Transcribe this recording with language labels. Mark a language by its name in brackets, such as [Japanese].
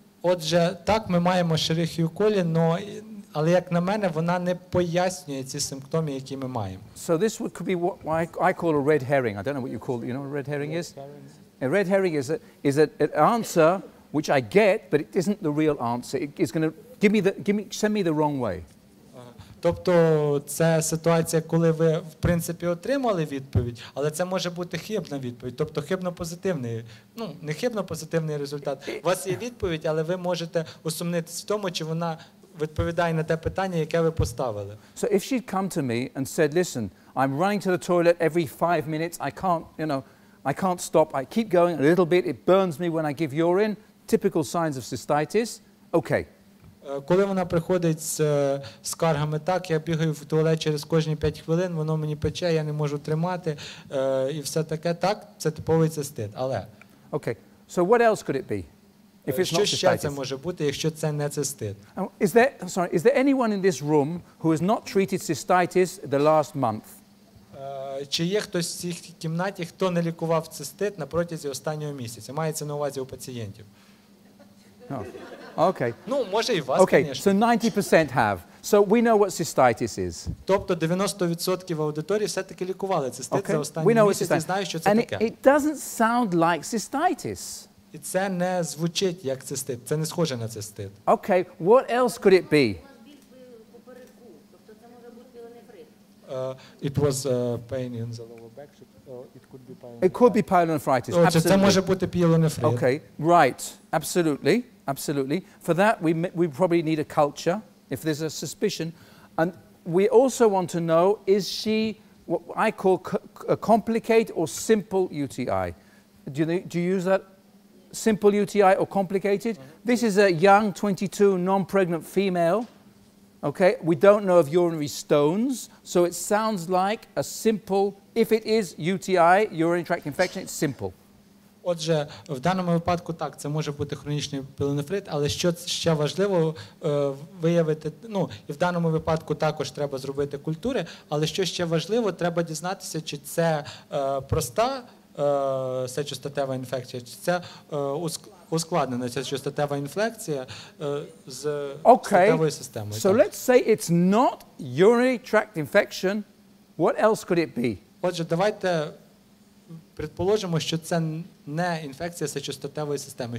[Ukrainian] Отже, так, ми маємо ешерихію колі, але, як на мене, вона не пояснює ці симптоми, які ми маємо. [English] So this could be what I call a red herring. I don't know what you call it. You know what a red herring is? Herring. A red herring is an answer which I get, but it isn't the real answer. It is going to send me the wrong way. [Ukrainian] Тобто це ситуація, коли ви, в принципі, отримали відповідь, але це може бути хибна відповідь, тобто хибно-позитивний, ну, не хибно-позитивний результат. У вас є відповідь, але ви можете усумнитися в тому, чи вона відповідає на те питання, яке ви поставили. [English] So if she'd come to me and said, listen, I'm running to the toilet every 5 minutes, I can't stop, I keep going a little bit, it burns me when I give urine, typical signs of cystitis, okay. [Ukrainian] Коли вона приходить з скаргами, так, я бігаю в туалет через кожні 5 хвилин, воно мені пече, я не можу тримати, і все таке, так, це типовий цистит, але... [English] Okay, so what else could it be? If it's [Ukrainian] що not ще це може бути, якщо це не цистит? [English] Is there anyone in this room who has not treated cystitis the last month? [Ukrainian] Чи є хтось в цій кімнаті, хто не лікував цистит на протязі останнього місяця? Мається на увазі у пацієнтів. [English] Oh. Okay. [Ukrainian] Ну, може і вас, [English] okay, [Ukrainian] звісно. [English] So 90% have. So we know what cystitis is. [Ukrainian] Тобто 90% аудиторії все-таки лікували цистит, [English] okay, [Ukrainian] за останній місяць і знають, що це [English] and [Ukrainian] таке. [English] It doesn't sound like cystitis. [Ukrainian] І це не звучить як цистит. Це не схоже на цистит. [English] Okay, what else could it be? It was pain in the lower back. It could be pyelonephritis. Oh, [Ukrainian] це може бути пієлонефрит. [English] Okay, right. Absolutely. Absolutely. For that we probably need a culture if there's a suspicion, and we also want to know, is she what I call a complicated or simple UTI? Do you use that? Simple UTI or complicated? Mm-hmm. This is a young 22 non-pregnant female. Okay? We don't know of urinary stones, so it sounds like a simple, if it is UTI, urinary tract infection, it's simple. [Ukrainian] Отже, в даному випадку так, це може бути хронічний пілонефрит, але що ще важливо виявити, ну, і в даному випадку також треба зробити культури, але що ще важливо, треба дізнатися, чи це проста сечостатева інфекція, чи це ускладнена сечостатева інфекція з статевою системою. [English] So let's say it's not urinary tract infection, what else could it be? [Ukrainian] Отже, давайте предположимо, що це не інфекція сечостатевої системи.